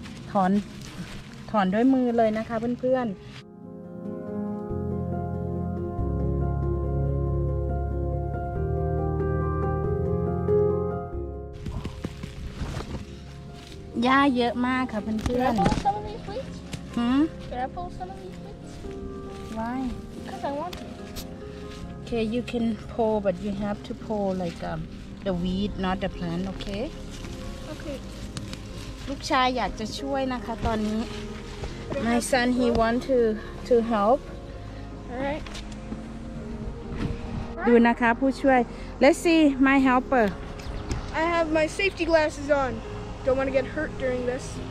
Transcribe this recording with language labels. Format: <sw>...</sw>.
<th>ถอนด้วยมือเลยนะคะเพื่อนหญ้าเยอะมากค่ะเพื่อนหือ Why</th> <en>Because I want to Okay, you can pull, but you have to pull like the weed, not the plant. Okay. Okay.</en> <th>ลูกชายอยากจะช่วยนะคะตอนนี้</th> <en>My son, he want to help. Alright.</en> <th>ดูนะคะผู้ช่วย</th> <en>Let's see my helper. I have my safety glasses on. Don't want to get hurt during this.</en>